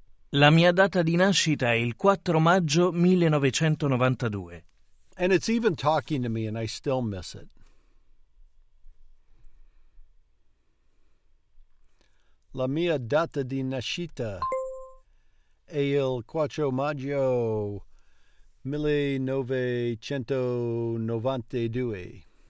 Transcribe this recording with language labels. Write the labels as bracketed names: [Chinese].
[Italian] La mia data di nascita è il 4 maggio 1992. [English] And it's even talking to me and I still miss it. [Italian] La mia data di nascita è il 4 maggio 1992.